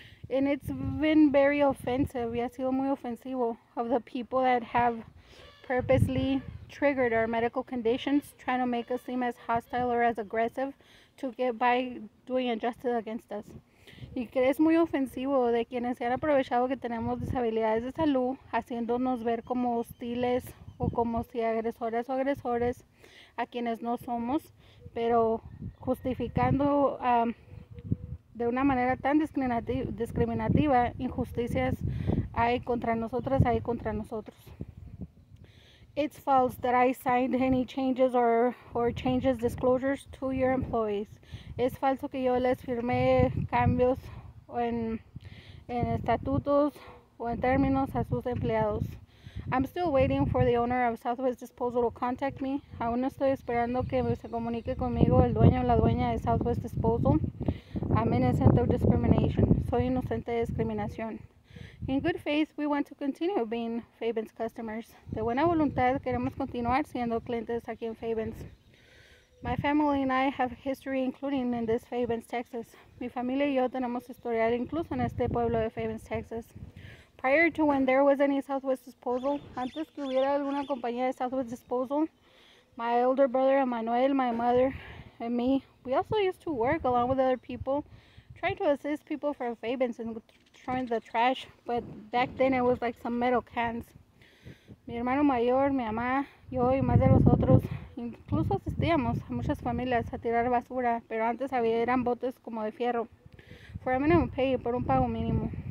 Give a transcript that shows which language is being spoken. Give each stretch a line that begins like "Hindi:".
English: And it's been very offensive,
Spanish: y ha sido muy ofensivo,
English: of the people that have purposely triggered our medical conditions, trying to make us seem as hostile or as aggressive to get by doing injustice against us.
Spanish: Y que es muy ofensivo de quienes se han aprovechado que tenemos disabilidades de salud, haciéndonos ver como hostiles o como si agresoras o agresores a quienes no somos, pero justificando de una manera tan discriminativa injusticias hay contra nosotras, hay contra nosotros.
English: It's false that I signed any changes or changes disclosures to your employees.
Spanish: Es falso que yo les firmé cambios en estatutos o en términos a sus empleados.
English: I'm still waiting for the owner of Southwest Disposal to contact me.
Spanish: Aún estoy esperando que se comunique conmigo el dueño o la dueña de Southwest Disposal.
English: I'm innocent of discrimination.
Spanish: Soy inocente de discriminación.
English: In good faith, we want to continue being Fabens customers.
Spanish: De buena voluntad, queremos continuar siendo clientes aquí en Fabens.
English: My family and I have history, including in this Fabens, Texas.
Spanish: Mi familia y yo tenemos historial incluso en este pueblo de Fabens, Texas.
English: Prior to when there was any Southwest Disposal,
Spanish: antes que hubiera alguna compañía de Southwest Disposal,
English: my older brother Emmanuel, my mother, and me, we also used to work along with other people, trying to assist people from Fabens in throwing the trash, but back then it was like some metal cans.
Spanish: Mi hermano mayor, mi mamá, yo y más de los otros, incluso asistíamos a muchas familias a tirar basura, pero antes había eran botes como de fierro,
English: for a minimum pay,
Spanish: por un pago mínimo.